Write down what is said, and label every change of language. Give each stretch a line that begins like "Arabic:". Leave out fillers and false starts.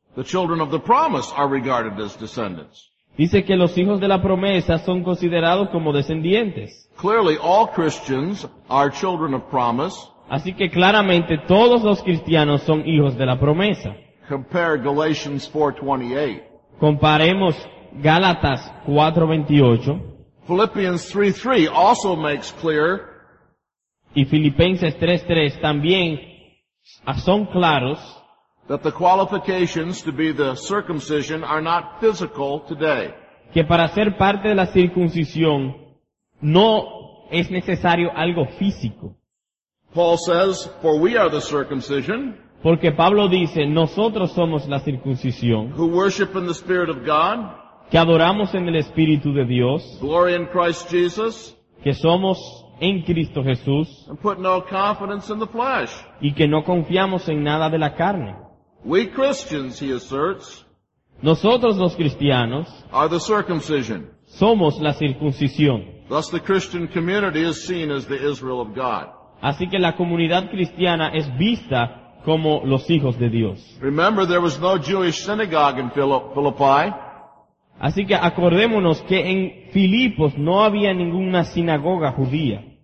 English: The children of the promise are regarded as descendants.
Spanish: Dice que los hijos de la promesa son considerados como descendientes.
English: Clearly, all Christians are children of promise.
Spanish: Así que claramente todos los cristianos son hijos de la promesa.
English: Compare Galatians 4:28.
Spanish: Comparemos Gálatas 4:28.
English: Philippians 3:3 also makes clear.
Spanish: Y Filipenses 3:3 también son claros.
English: That the qualifications to be the circumcision are not physical today.
Spanish: Que para ser parte de la circuncisión no es necesario algo físico.
English: Paul says, "For we are the circumcision."
Spanish: Porque Pablo dice, nosotros somos la circuncisión.
English: Who worship in the Spirit of God?
Spanish: Que adoramos en el Espíritu de Dios.
English: Glory in Christ Jesus.
Spanish: Que somos en Cristo Jesús.
English: And put no confidence in the flesh.
Spanish: Y que no confiamos en nada de la carne.
English: We Christians, he asserts,
Spanish: nosotros los cristianos,
English: are the circumcision.
Spanish: Somos la circuncisión.
English: Thus the Christian community is seen as the Israel of God.
Spanish: Así que la comunidad cristiana es vista como los hijos de Dios.
English: Remember, there was no Jewish synagogue in Philippi.
Spanish: Así que acordémonos que en Filipos no había ninguna sinagoga judía.